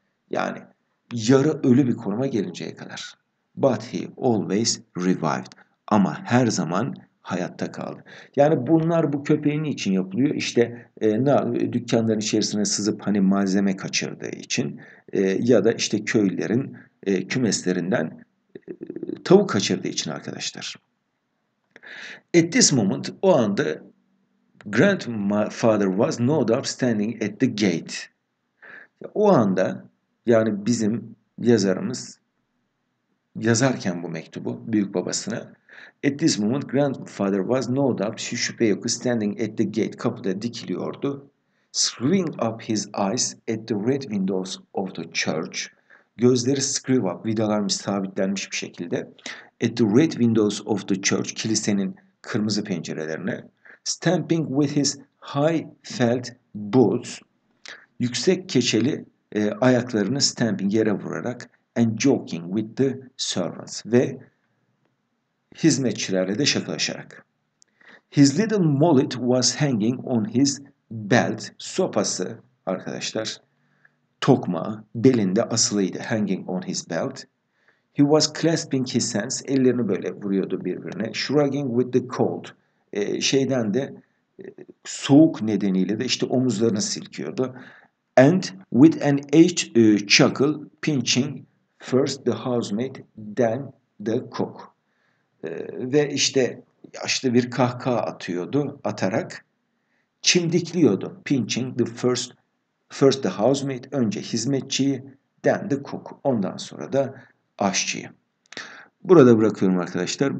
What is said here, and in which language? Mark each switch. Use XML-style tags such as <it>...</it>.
<tr>Yani yarı ölü bir konuma gelinceye kadar.</tr> <en>But he always revived,</en> <tr>ama her zaman hayatta kaldı. Yani bunlar bu köpeğin için yapılıyor. İşte dükkanların içerisine sızıp hani malzeme kaçırdığı için ya da işte köylülerin kümeslerinden tavuk kaçırdığı için arkadaşlar.</tr> <en>At this moment,</en> <tr>o anda</tr> <en>grandfather was no doubt standing at the gate.</en> <tr>O anda yani bizim yazarımız yazarken bu mektubu büyük babasına.</tr> <en>At this moment grandfather was no doubt,</en> <tr>şüphe yok,</tr> <en>standing at the gate,</en> <tr>kapıda dikiliyordu.</tr> <en>Screwing up his eyes at the red windows of the church.</en> <tr>Gözleri</tr> <en>screw up,</en> <tr>vidalarmış, sabitlenmiş bir şekilde.</tr> <en>At the red windows of the church,</en> <tr>kilisenin kırmızı pencerelerine.</tr> <en>Stamping with his high felt boots.</en> <tr>Yüksek keçeli ayaklarını stamping, yere vurarak.</tr> <en>And joking with the servants.</en> <tr>Ve hizmetçilerle de şakalaşarak.</tr> <en>His little mallet was hanging on his belt.</en> <tr>Sopası arkadaşlar, tokmağı belinde asılıydı.</tr> <en>Hanging on his belt. He was clasping his hands.</en> <tr>Ellerini böyle vuruyordu birbirine.</tr> <en>Shrugging with the cold.</en> <tr>Şeyden de soğuk nedeniyle de işte omuzlarını silkiyordu.</tr> <en>And with an aged chuckle, pinching first the housemaid, then the cook.</en> <tr>Ve işte yaşlı bir kahkaha atıyordu, atarak çimdikliyordu.</tr> <en>Pinching the first the housemaid,</en> <tr>önce hizmetçiyi,</tr> <en>then the cook,</en> <tr>ondan sonra da aşçıyı. Burada bırakıyorum arkadaşlar.</tr>